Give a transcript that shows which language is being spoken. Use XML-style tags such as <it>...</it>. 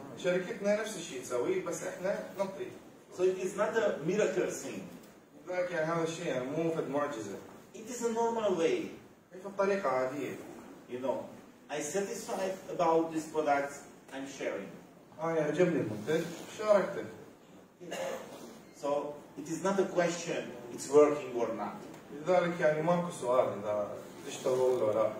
<ar>شركتنا نفس الشيء تسوي بس إحنا نطري.</ar> <en>So it is not a miracle thing.</en> <ar>ذاك يعني هذا الشيء مو فد معجزة.</ar> <en>It is a normal way.</en> <ar>هي في الطريقة عادية.</ar> <en>You know, I satisfied about this product I'm sharing.</en> <ar>عجبني المنتج شاركته.</ar> <en>So it is not a question it's working or not.</en> <ar>لذلك يعني ماكو سؤال إذا تشتغل ولا لا.</ar>